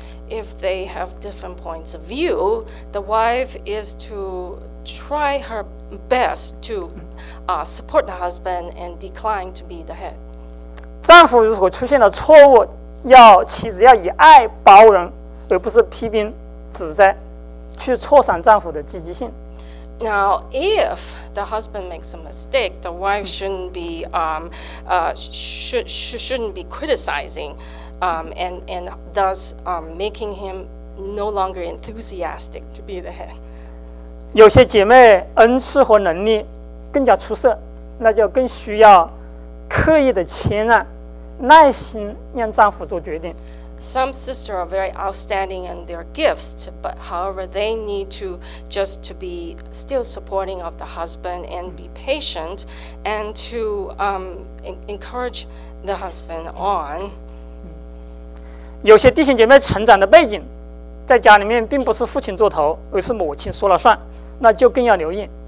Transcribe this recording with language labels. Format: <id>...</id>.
<en>If they have different points of view, the wife is to try her best to support the husband and decline to be the head.</en> <zh>丈夫如果出现了错误。要妻子要以爱包容，而不是批评、指责，去挫伤丈夫的积极性。</zh> <en>Now, if the husband makes a mistake, the wife shouldn't be shouldn't be criticizing, and thus making him no longer enthusiastic to be the head.</en> <zh>有些姐妹恩赐和能力更加出色，那就更需要刻意的谦让。耐心让丈夫做决定。</zh> <en>Some sisters are very outstanding in their gifts, but however, they need to just to be still supporting of the husband and be patient and to encourage the husband on.</en> <zh>有些弟兄姐妹成长的背景，在家里面并不是父亲做头，而是母亲说了算，那就更要留意。</zh>